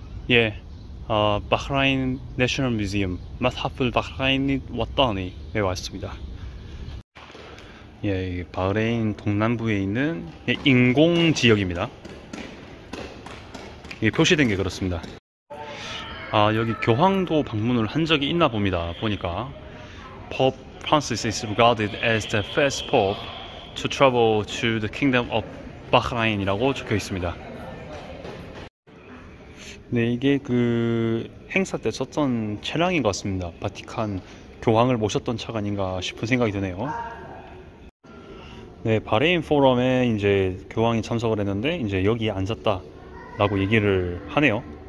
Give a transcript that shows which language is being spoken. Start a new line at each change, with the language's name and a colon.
Korean: 예, 바흐라인 내셔널 뮤지엄, 마트하우스 바흐라인 왔다니에 왔습니다. 예, 바흐레인 동남부에 있는 인공 지역입니다. 이게 표시된 게 그렇습니다. 아, 여기 교황도 방문을 한 적이 있나 봅니다. 보니까
English: Pope Francis is regarded as the first pope to travel to the kingdom of Bahrain이라고
Korean: 적혀 있습니다. 네, 이게 그 행사 때 썼던 차량인 것 같습니다. 바티칸 교황을 모셨던 차가 아닌가 싶은 생각이 드네요. 네, 바레인 포럼에 이제 교황이 참석을 했는데 이제 여기 앉았다 라고 얘기를 하네요.